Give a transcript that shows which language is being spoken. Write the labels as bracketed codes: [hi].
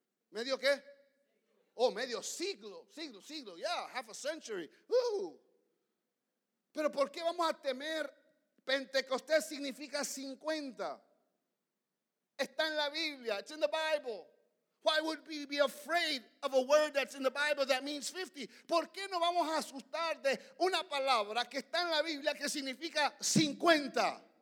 [es] ¿Medio qué? Oh, medio siglo, yeah, [en] half a century. [es] Woo. Pero ¿por qué vamos a temer Pentecostés significa 50? Está en la Biblia, [en] it's in the Bible. Why would we be afraid of a word that's in the Bible that means 50? [es] ¿Por qué no vamos a asustar de una palabra que está en la Biblia que significa 50?